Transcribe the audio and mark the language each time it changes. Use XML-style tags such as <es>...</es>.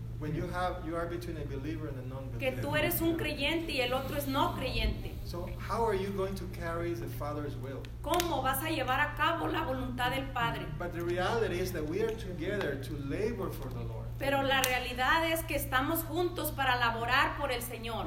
<en>When you are between a believer and a non-believer.</en> <es>Que tú eres un creyente y el otro es no creyente.</es> <en>So how are you going to carry the Father's will?</en> <es>¿Cómo vas a llevar a cabo la voluntad del Padre?</es> <en>But the reality is that we are together to labor for the Lord.</en> <es>Pero la realidad es que estamos juntos para laborar por el Señor.</es>